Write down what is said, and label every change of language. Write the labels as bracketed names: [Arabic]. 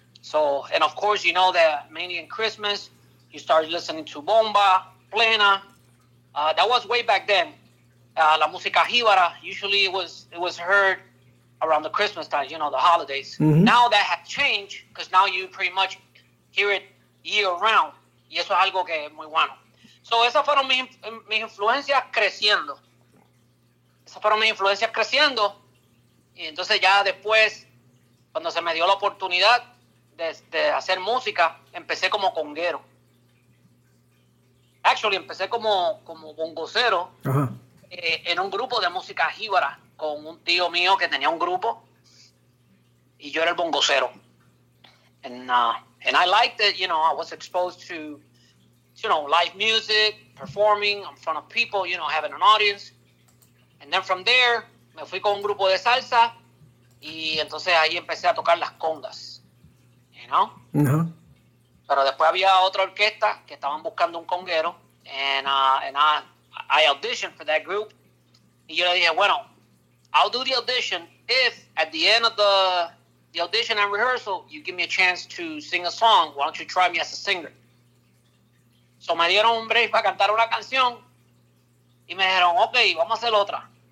[English] So and of course you know that mainly in Christmas you start listening to bomba, plena. That was way back then. [Spanish] La música jíbara, [English] usually it was heard around the Christmas time, you know, the holidays. Mm-hmm. Now that has changed, because now you pretty much hear it year-round. [Spanish] Y eso es algo que es muy bueno. So esas fueron mis influencias creciendo. Esas fueron mis influencias creciendo. Y entonces ya después, cuando se me dio la oportunidad de hacer música, empecé como conguero. Actually, empecé como bongocero en un grupo de música jíbara con un tío mío que tenía un grupo y yo era el bongocero. [English] And I liked it, you know, I was exposed to, you know, live music, performing in front of people, you know, having an audience. And then from there, [Spanish] me fui con un grupo de salsa y entonces ahí empecé a tocar las congas, [English] you know? Uh-huh. [Spanish] Pero después había otra orquesta que estaban buscando un conguero [English] and I auditioned for that group. [Spanish] Y yo le dije, bueno, [English] I'll do the audition if at the end of the audition and rehearsal you give me a chance to sing a song. Why don't you try me as a singer? [Spanish] So me dieron un break para cantar una canción y me dijeron, okay, vamos a hacer otra.